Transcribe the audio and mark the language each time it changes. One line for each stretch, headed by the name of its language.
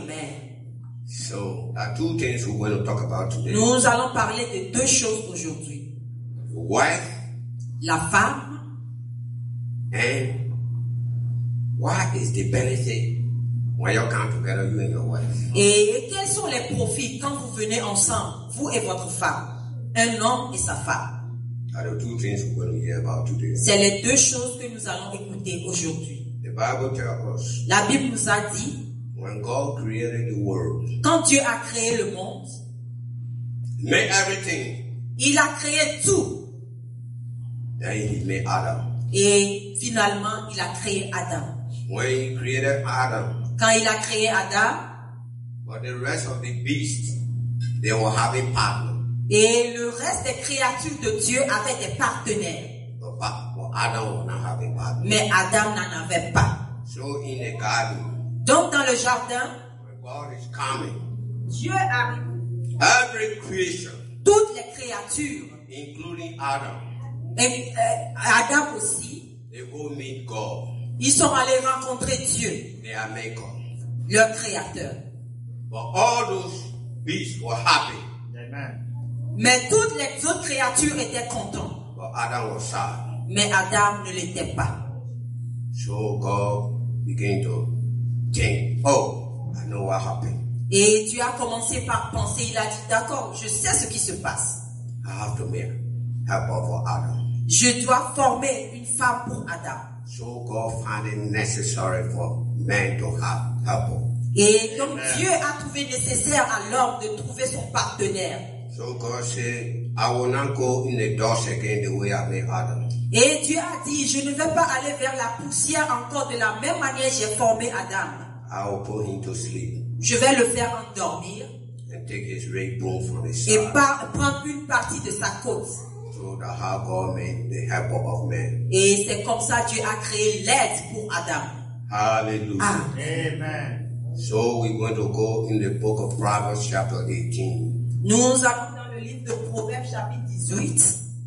English: Amen. So. Are two things we will talk about today.
French: Nous allons parler de deux choses aujourd'hui.
English: The wife.
French: La femme.
English: And what is the benefit when you come together, you and your wife?
French: Et quels sont les profits quand vous venez ensemble, vous et votre femme, un homme et sa femme?
English: Are the two things we will hear about today.
French: C'est les deux choses que nous allons écouter aujourd'hui.
English: The Bible tells us.
French: La Bible nous a dit.
English: When God created the world,
French: quand Dieu a créé le monde,
English: made everything,
French: il a créé tout.
English: Then he made Adam.
French: Et finalement, il a créé Adam.
English: When he created Adam,
French: quand il a créé Adam,
English: but the rest of the beasts, they were having partners.
French: Et le reste des créatures de Dieu avaient des partenaires.
English: But Adam was not having partners.
French: Mais Adam n'en avait pas.
English: So in the garden.
French: Donc dans le jardin,
English: God is coming.
French: Dieu arrive.
English: Every creation,
French: toutes les créatures,
English: including Adam,
French: et Adam aussi,
English: they will meet God.
French: Ils sont allés rencontrer Dieu,
English: they are maker,
French: leur créateur.
English: But all those beasts were happy. Amen.
French: Mais toutes les autres créatures étaient contentes.
English: But Adam was sad.
French: Mais Adam ne l'était pas.
English: So God began to. Oh, I know what happened.
French: Et tu as commencé par penser, il a dit, d'accord, je sais ce qui se passe.
English: I have to make help for Adam.
French: Je dois former une femme pour Adam.
English: So God found it necessary for men to have help.
French: Et donc amen. Dieu a trouvé nécessaire à l'homme de trouver son partenaire.
English: So God said, I will not go in the dust again the way I made Adam.
French: Et Dieu a dit, je ne vais pas aller vers la poussière encore de la même manière que j'ai formé Adam.
English: I will put him to sleep.
French: Je vais le faire endormir.
English: And take his rib bone from his side.
French: Et par, prendre une partie de sa côte.
English: So that Hagar made the helper of man.
French: Et c'est comme ça Dieu a créé l'aide pour Adam.
English: Hallelujah. Amen. So we're going to go in the book of Proverbs chapter 18.
French: Nous allons dans le livre de Proverbes chapitre 18.